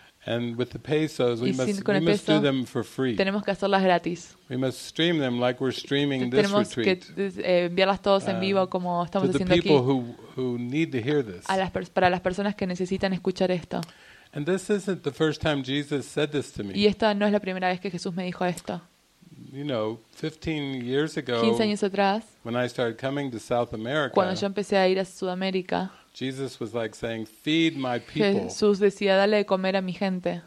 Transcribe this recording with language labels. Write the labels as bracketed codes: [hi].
[en] And with the pesos, we must do them for free. [es] Tenemos que hacerlas gratis. [en] We must stream them like we're streaming this retreat. [es] Tenemos que enviarlas todos en vivo como estamos haciendo aquí. [en] To the people who need to hear this. [es] Para las personas que necesitan escuchar esto. [en] And this isn't the first time Jesus said this to me. [es] Y esta no es la primera vez que Jesús me dijo esto. [en] You know, 15 years ago, [es] 15 años atrás, [en] when I started coming to South America, [es] cuando yo empecé a ir a Sudamérica, [en] Jesus was like saying, "Feed my people." [es] Jesús decía, dale de comer a mi gente.